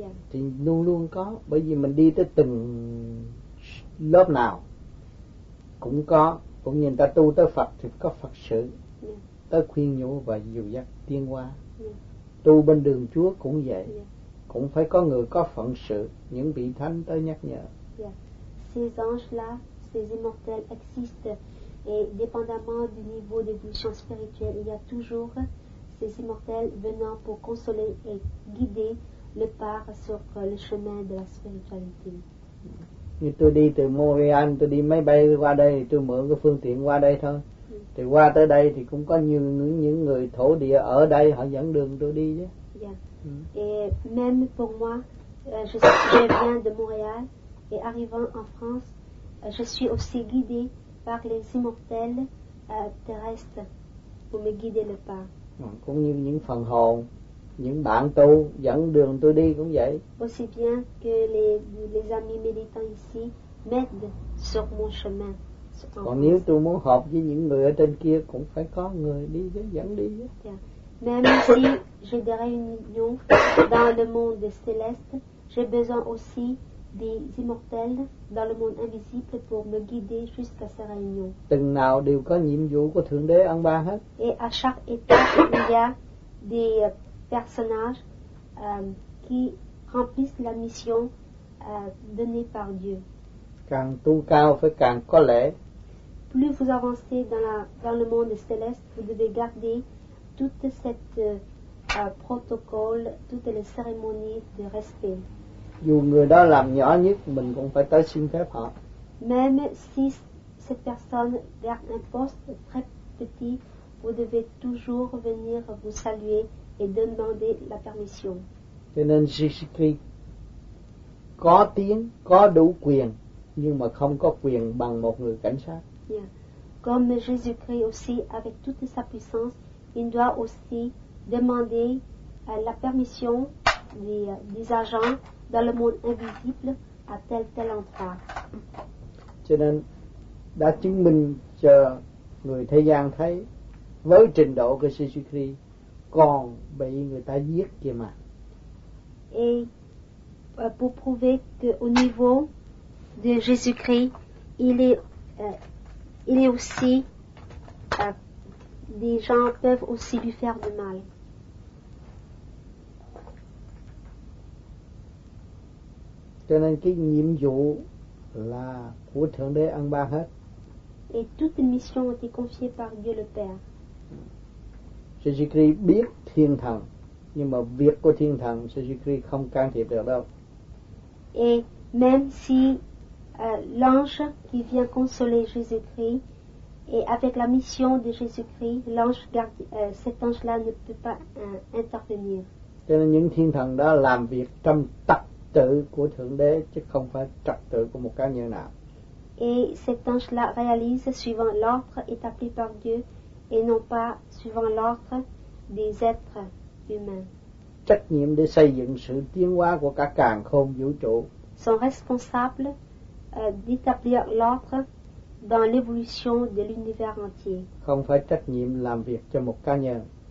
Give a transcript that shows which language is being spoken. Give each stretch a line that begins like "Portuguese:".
Vietnamese: Thì luôn luôn có, bởi vì mình đi tới từng lớp nào cũng có, cũng như người ta tu tới Phật thì có Phật sự, tới khuyên nhủ và dìu dắt tiên qua. Tu bên đường Chúa cũng vậy, cũng phải có người có phận sự, những vị thánh tới nhắc nhở.
French: Ces anges-là, ces immortels existent, et dépendamment du niveau d'évolution spirituelle, il y a toujours ces immortels venant pour consoler et guider le part sur le chemin de la spiritualité.
Vietnamese: Như tôi đi từ Montréal, tôi đi máy bay qua đây, tôi mượn cái phương tiện qua đây thôi. Thì qua tới đây thì cũng có những người thổ địa ở đây, họ dẫn đường tôi đi chứ.
French: Et même pour moi, je viens de Montréal et arrivant en France, je suis aussi guidée par les immortels terrestres pour me guider le pas.
Vietnamese: Cũng như những phần hồn, những bạn tu dẫn đường tôi đi cũng vậy.
French: Aussi bien que les amis méditants ici m'aident sur mon chemin.
Vietnamese: Còn nếu tôi muốn hợp với những người ở trên kia cũng phải có người đi chứ, dẫn đi chứ.
French: Même si j'ai des réunions dans le monde céleste, j'ai besoin aussi des immortels dans le monde invisible pour me guider jusqu'à ces réunions.
Vietnamese: Từng nào đều có nhiệm vụ của Thượng Đế ăn ba hết.
French: Et à chaque étape, il y a des personnages qui remplissent la mission donnée par Dieu.
Vietnamese: Càng tu cao phải càng có lễ.
French: Plus vous avancez dans le monde céleste, vous devez garder tout cette protocole, toutes les cérémonies de respect.
Vietnamese: Dù người đó làm nhỏ nhất, mình cũng phải tới xin phép họ.
French: Même si cette personne garde un poste très petit, vous devez toujours venir vous saluer et demander la permission.
Vietnamese: Cho nên Jésus-Christ có tiếng, có đủ quyền, nhưng mà không có quyền bằng một người cảnh sát.
French: Comme Jésus-Christ aussi, avec toute sa puissance, il doit aussi demander la permission des agents dans le monde invisible à tel endroit.
Vietnamese: Cho nên đã chứng minh cho người thế gian thấy với trình độ của Jésus-Christ còn bị người ta giết kia mà.
French: Et pour prouver que au niveau de Jésus-Christ, il est aussi des gens peuvent aussi lui faire du mal.
Vietnamese: Cho nên cái nhiệm vụ là của Thượng Đế ăn ba hết.
French: Et toute mission a été confiée par Dieu le Père.
Vietnamese: Jésus-Christ biết thiên thần, nhưng mà việc của thiên thần Jésus-Christ không can thiệp được đâu.
French: Et même si l'ange qui vient consoler Jésus-Christ et avec la mission de Jésus-Christ, l'ange garde, cet ange-là ne peut pas intervenir.
Vietnamese: Cho nên những thiên thần đó làm việc trong tập tự của Thượng Đế chứ không phải trật tự của một cá nhân nào.
French: Et cet ange-là réalise suivant l'ordre établi par Dieu et non pas suivant l'ordre des êtres humains.
Vietnamese: Trách nhiệm để xây dựng sự tiến hóa của cả càn khôn vũ trụ.
French: Sont responsables d'établir l'ordre dans l'évolution de l'univers entier.
Vietnamese: Không phải trách nhiệm làm việc cho một cá nhân.